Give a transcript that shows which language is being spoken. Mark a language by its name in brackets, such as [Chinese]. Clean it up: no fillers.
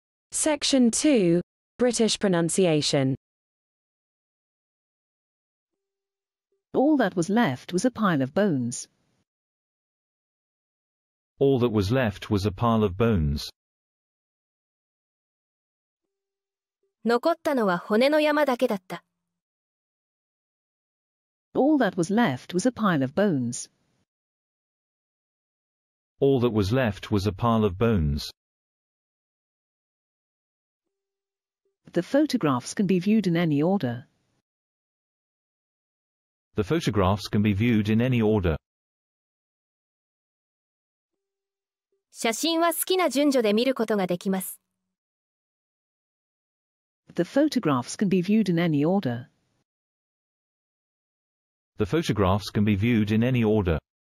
[English] Section 2, British pronunciation. All that was left was a pile of bones. All that was left was a pile of bones. [Japanese] 残ったのは骨の山だけだった。 [English] All that was left was a pile of bones. All that was left was a pile of bones. The photographs can be viewed in any order. The photographs can be viewed in any order. [Japanese] 写真は好きな順序で見ることができます。 [English] The photographs can be viewed in any order. The photographs can be viewed in any order.